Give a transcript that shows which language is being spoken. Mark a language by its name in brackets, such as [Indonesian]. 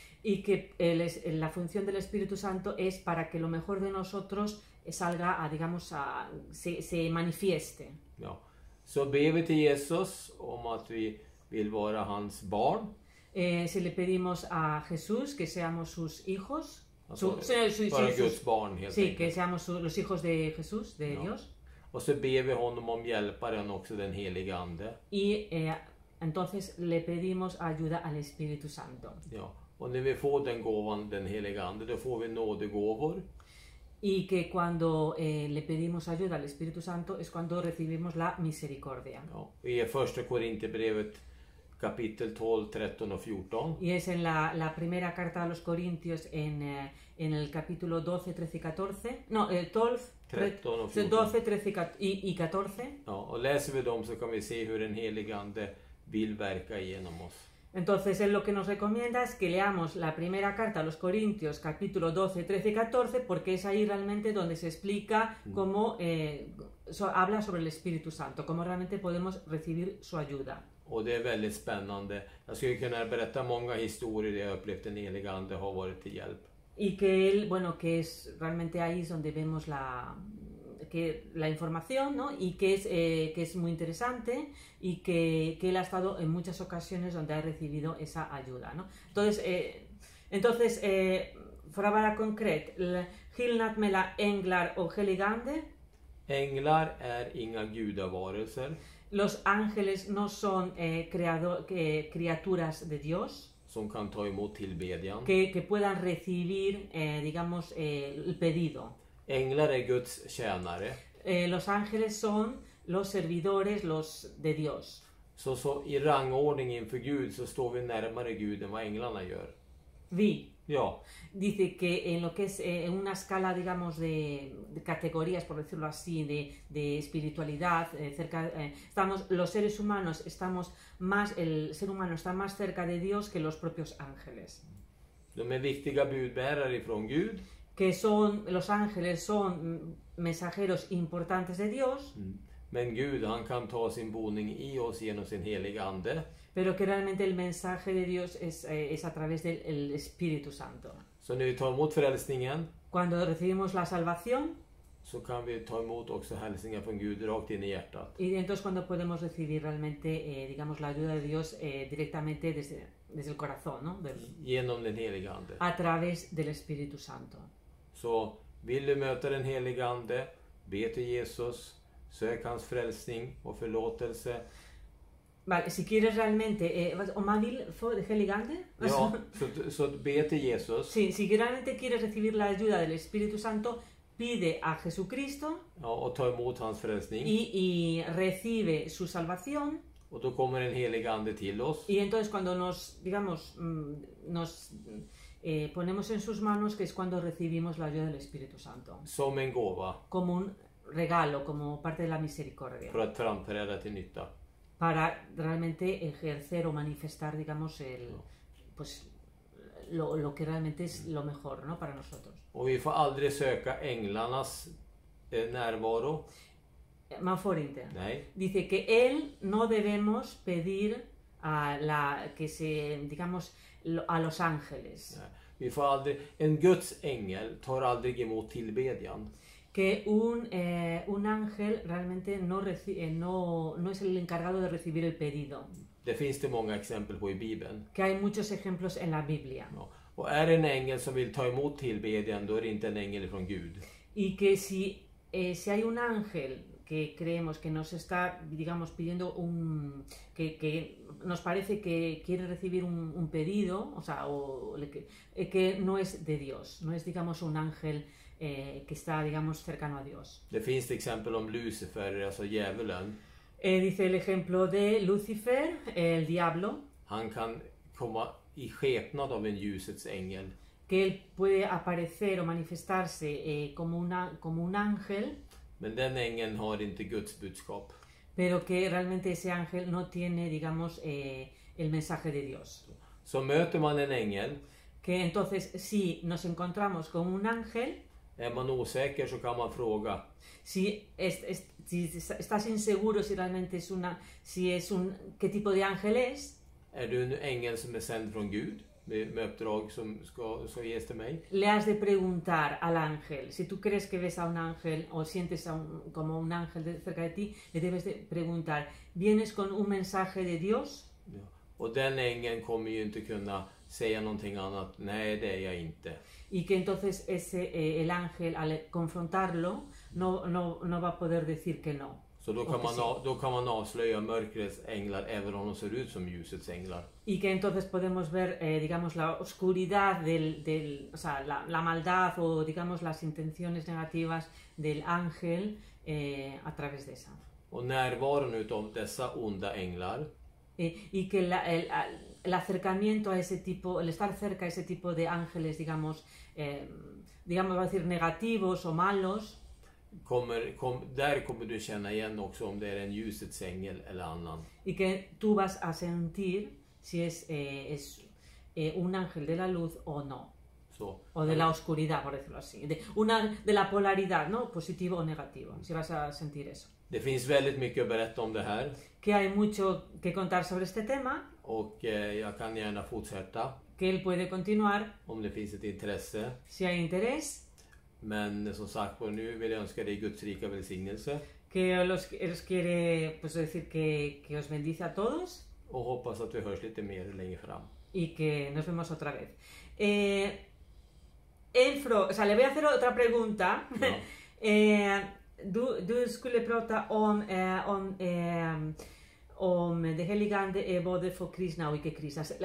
[Spanish] Y que la función del Espíritu Santo es para que lo mejor de nosotros salga a, digamos, a, se manifieste. [Swedish] Ja. Så ber vi till Jesus om att vi vill vara hans barn. [Spanish] Si le pedimos a Jesús que seamos sus hijos. [Swedish] Bara Guds barn helt enkelt. [Spanish] Sí, que seamos los hijos de Jesús, de Dios. [Swedish] Och så ber vi honom om hjälparen också, den helige ande. [Spanish] Entonces le pedimos ayuda al Espíritu Santo. [Swedish] Ja, och när vi får den gåvan, den heliga ande, då får vi nådegåvor. [Spanish] Y que cuando le pedimos ayuda al Espíritu Santo es cuando recibimos la misericordia. Y en 1 Corintios capítulo 12, 13 y 14. Y es en la primera carta a los Corintios en el capítulo 12, 13 y 14. No, 12, 13 y 14. [Swedish] Ja, och läser vi dem så kan vi se hur den helige ande vill verka genom oss. [Spanish] Entonces, él lo que nos recomienda es que leamos la primera carta a los Corintios, capítulo 12, 13 y 14, porque es ahí realmente donde se explica cómo habla sobre el Espíritu Santo, cómo realmente podemos recibir su ayuda. [Swedish] Och det är väldigt spännande. Jag skulle kunna berätta många historier där jag upplevt den helige ande har varit till hjälp. [Spanish] Y que él, bueno, que es realmente ahí es donde vemos la que la información, ¿no? Y que es muy interesante y que él ha estado en muchas ocasiones donde ha recibido esa ayuda, ¿no? Entonces, [Swedish] frågan konkret, skillnad mellan änglar och heligande? Änglar är inga gudavarelser. [Spanish] Los ángeles no son criaturas de Dios. [Swedish] Som kan ta emot tillbedjan. [Spanish] Que puedan recibir, digamos, el pedido. [Swedish] Änglar är Guds tjänare. [Spanish] Los ángeles son los servidores, los de Dios. [Swedish] Så i rangordning inför Gud så står vi närmare Gud än vad änglarna gör. Vi. Ja. [Spanish] Dice que en lo que es una escala, digamos, de categorías, por decirlo así, de espiritualidad, estamos los seres humanos, estamos más, el ser humano está más cerca de Dios que los propios ángeles. [Swedish] De är viktiga budbärare ifrån Gud. [Spanish] Que son los ángeles son mensajeros importantes de Dios. [Swedish] Men Gud, han kan ta sin boning i oss genom sin helige ande. [Spanish] Pero que realmente el mensaje de Dios es a través del Espíritu Santo. [Swedish] Så när vi tar emot frälsningen, [Spanish] cuando recibimos la salvación, [Swedish] så kan vi ta emot också hälsningar från Gud rakt in i hjärtat. [Spanish] Y entonces cuando podemos recibir realmente digamos la ayuda de Dios directamente desde el corazón, ¿no? [Swedish] Genom den helige ande. [Spanish] A través del Espíritu Santo. [Swedish] Så vill du möta den helige ande, be till Jesus, sök hans frälsning och förlåtelse. [Spanish] Vale, si quieres realmente, o más bien, ¿fue de Heligante? [Swedish] Ja, be till Jesus. [Spanish] Sí, si realmente quieres recibir la ayuda del Espíritu Santo, pide a Jesucristo. [Swedish] Ja, och ta emot hans frälsning. [Spanish] Y recibe su salvación. [Swedish] Och då kommer den helige ande till oss. [Spanish] Y entonces cuando nos, digamos, nos ponemos en sus manos, que es cuando recibimos la ayuda del Espíritu Santo. [Swedish] Som en gåva. [Spanish] Como un regalo, como parte de la misericordia. För att framträda till nytta. Para realmente ejercer o manifestar, digamos, el, pues, lo que realmente es lo mejor, ¿no? Para nosotros. [Swedish] Och vi får aldrig söka änglarnas närvaro. Manforinte. Nej. [Spanish] Dice que él no debemos pedir a la que se digamos a los ángeles. [Swedish] Vi får aldrig, en Guds ängel tar aldrig emot tillbedjan. [Spanish] Que un ángel realmente no es el encargado de recibir el pedido. [Swedish] Det finns det många exempel på i Bibeln. [Spanish] Que hay muchos ejemplos en la Biblia. [Swedish] Ja. Och är det en ängel som vill ta emot tillbedjan, då är det inte en ängel från Gud. [Spanish] Y que si hay un ángel que creemos que nos está, digamos, pidiendo que nos parece que quiere recibir un pedido, o sea, que no es de Dios, no es, digamos, un ángel que está, digamos, cercano a Dios. [Swedish] Det finns ett exempel om Lucifer, alltså djävulen. [Spanish] Dice el ejemplo de Lucifer, el diablo. [Swedish] Han kan komma i skepnad av en ljusets ängel. [Spanish] Que él puede aparecer o manifestarse como un ángel. [Swedish] Men den ängeln har inte Guds budskap. [Spanish] Pero que realmente ese ángel no tiene, digamos, el mensaje de Dios. [Swedish] Så möter man en ängel. [Spanish] Que entonces, si nos encontramos con un ángel. [Swedish] Är man osäker så kan man fråga. [Spanish] Si estás inseguro si realmente es una, si es un, qué tipo de ángel es. [Swedish] Är du en ängel som är sänd från Gud med uppdrag som ska ges till mig? [Spanish] Le has de preguntar al ángel. Si tú crees que ves a un ángel o sientes como un ángel cerca de ti, le debes de preguntar. ¿Vienes con un mensaje de Dios? [Swedish] Ja. Och den ängeln kommer ju inte kunna säga någonting annat. Nej, det är jag inte. [Spanish] Y que entonces ese el ángel al confrontarlo no va a poder decir que no. [Swedish] Så då kan man, avslöja mörkrets änglar även om de ser ut som ljusets änglar. [Spanish] Y que entonces podemos ver, digamos, la oscuridad del o sea, la maldad o, digamos, las intenciones negativas del ángel a través de esa. [Swedish] Och närvaron utav dessa onda änglar. [Spanish] Y que el acercamiento a ese tipo, el estar cerca a ese tipo de ángeles, digamos, digamos, va a decir, negativos o malos. [Swedish] Där kommer du känna igen också om det är en ljusets ängel eller annan. [Spanish] Y que tú vas a sentir si es, un ángel de la luz o no. [Swedish] Så. [Spanish] O de la oscuridad, por decirlo así. De la polaridad, ¿no? Positivo o negativo. Si vas a sentir eso. [Swedish] Det finns väldigt mycket att berätta om det här. [Spanish] Que hay mucho que contar sobre este tema. [Swedish] Och jag kan gärna fortsätta. [Spanish] Que él puede continuar. [Swedish] Om det finns ett intresse. [Spanish] Si hay interés. [Swedish] Men som sagt, och nu vill jag önska dig Guds rika välsignelse. [Spanish] Que os quiere, pues decir que os bendice a todos. [Swedish] Och hoppas att vi hörs lite mer längre fram. [Spanish] Y que nos vemos otra vez. Enfro, o sea, le voy a hacer otra pregunta. [Swedish] Ja. Du skulle prata om det heliga ande är både för kristna och icke-kristna.